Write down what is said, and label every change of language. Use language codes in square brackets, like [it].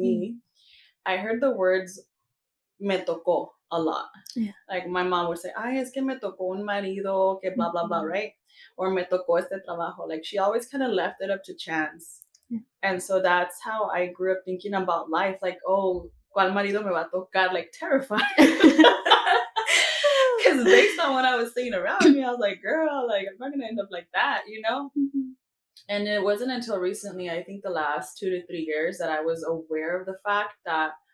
[en] me. I heard the words, [es] me tocó. [en] A lot. Yeah. Like, my mom would say, [es] ay, es que me tocó un marido, que blah, blah, [en] blah, right? [es] Or me tocó este trabajo. [en] Like, she always kind of left it up to chance. Yeah. And so that's how I grew up thinking about life. Like, oh, [es] ¿cuál marido me va a tocar? [en] Like, terrified. Because based on what I was seeing around me, I was like, girl, like, I'm not going to end up like that, you know? Mm-hmm. And it wasn't until recently, I think the last 2 to 3 years, that I was aware of the fact that